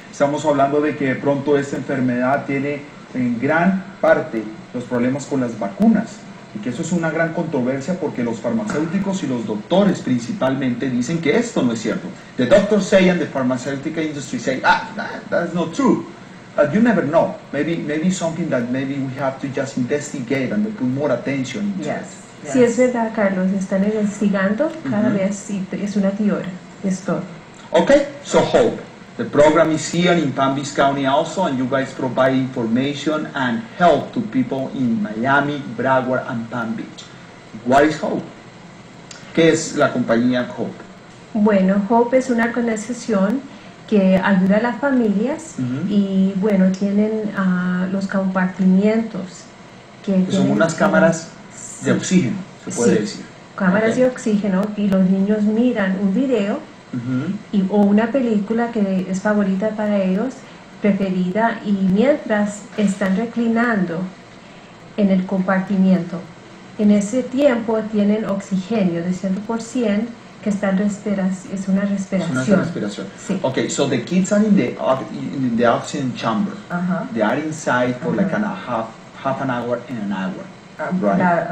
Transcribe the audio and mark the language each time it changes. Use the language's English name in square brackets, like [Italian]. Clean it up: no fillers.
[Spanish] Estamos hablando de que de pronto esta enfermedad tiene en gran parte los problemas con las vacunas. Y que eso es una gran controversia porque los farmacéuticos y los doctores principalmente dicen que esto no es cierto. [English] The doctors say and the pharmaceutical industry say, that's not true. But you never know. Maybe something that maybe we have to just investigate and put more attention into. Yes. Yes. [Spanish] Sí, es verdad, Carlos. Están investigando cada vez y es una teoría. [English] Okay, so Hope, the program is here in Palm Beach County also, and you guys provide information and help to people in Miami, Broward, and Palm Beach. What is Hope? [Spanish] ¿Qué es la compañía Hope? Bueno, Hope es una organización que ayuda a las familias y bueno, tienen los compartimientos que son unas cámaras de oxígeno, se puede decir. Cámaras de oxígeno y los niños miran un video y, o una película que es favorita para ellos, preferida, y mientras están reclinando en el compartimiento, en ese tiempo tienen oxígeno de 100% que están es una respiración. Sí. [English] Okay, so the kids are in the oxygen chamber. Uh-huh. They are inside for like half an hour and an hour.